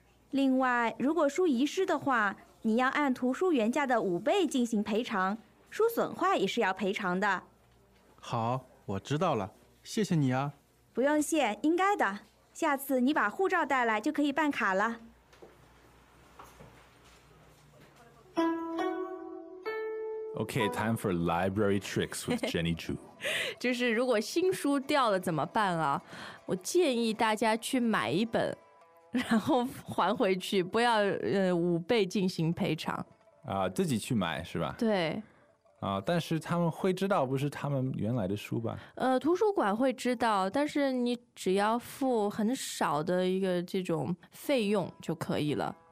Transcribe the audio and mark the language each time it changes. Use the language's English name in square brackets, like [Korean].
[Chinese] 另外，如果书遗失的话，你要按图书原价的五倍进行赔偿，书损坏也是要赔偿的。好，我知道了，谢谢你啊。不用谢，应该的。下次你把护照带来就可以办卡了。 [English] Okay, time for library tricks with Jenny Zhu. [Chinese] 就是如果新书掉了怎么办啊？我建议大家去买一本，然后还回去，不要五倍进行赔偿。啊，自己去买是吧？对。啊，但是他们会知道不是他们原来的书吧？图书馆会知道，但是你只要付很少的一个这种费用就可以了。